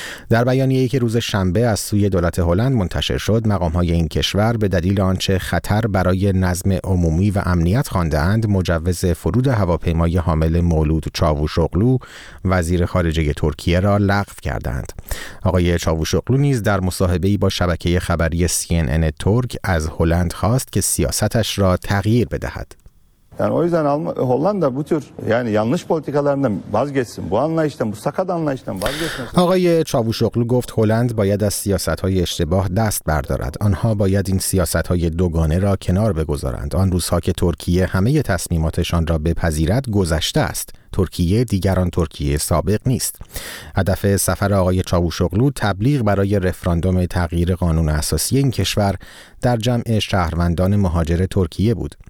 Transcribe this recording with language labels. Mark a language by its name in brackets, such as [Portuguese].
[Persian] در بیانیه‌ای که روز شنبه از سوی دولت هلند منتشر شد، مقام های این کشور به دلیل آنچه خطر برای نظم عمومی و امنیت خوانده اند، مجوز فرود هواپیمای حامل مولود چاوشاوغلو وزیر خارجه ترکیه را لغو کردند. آقای چاوشاوغلو در مصاحبه‌ای با شبکه خبری CNN ترک از هلند خواست که سیاستش را تغییر بدهد. [Turkish] Yani o yüzden Hollanda bu tür yani yanlış politikalarından vazgeçsin. Bu anlayıştan, bu sakat anlayıştan vazgeçsin. [Persian] آقای چاوشاوغلو گفت هلند باید از سیاست‌های اشتباه دست بردارد. آنها باید این سیاست‌های دوگانه را کنار بگذارند. آن روزها که ترکیه همه تصمیماتشان را بپذیرد گذشته است. ترکیه دیگران ترکیه سابق نیست. هدف سفر آقای چاوشاوغلو تبلیغ برای رفراندوم تغییر قانون اساسی این کشور در جمع شهروندان مهاجر ترکیه بود.